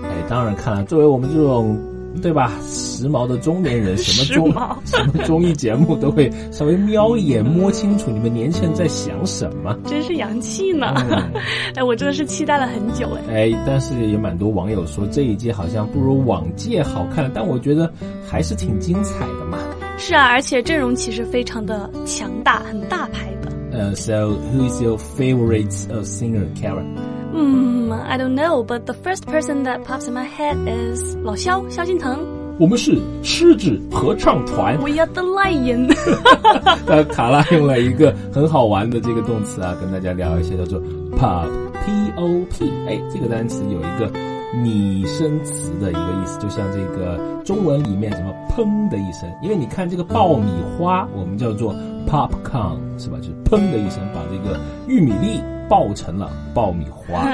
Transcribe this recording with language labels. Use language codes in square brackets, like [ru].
[zh] 哎，当然看了，作为我们这种对吧时髦的中年人，什么中什么综艺节目都会稍微瞄一眼摸清楚你们年轻人在想什么，真是洋气呢。哎，我真的是期待了很久。哎，但是也蛮多网友说这一季好像不如往届好看，但我觉得还是挺精彩的嘛。是啊，而且阵容其实非常的强大，很大牌的。 [en] So who is your favorite singer, Karen? I don't know, but the first person that pops in my head is 老萧，萧敬腾。 [zh] 我们是狮子合唱团。 [en] We are the lion. [zh] 卡拉用了一个很好玩的这个动词啊，跟大家聊一些，叫做 pop, P-O-P。哎，这个单词有一个拟声词的一个意思，就像这个中文里面什么砰的一声，因为你看这个爆米花，我们叫做 popcorn, 是吧？就是砰的一声，把这个玉米粒爆成了爆米花，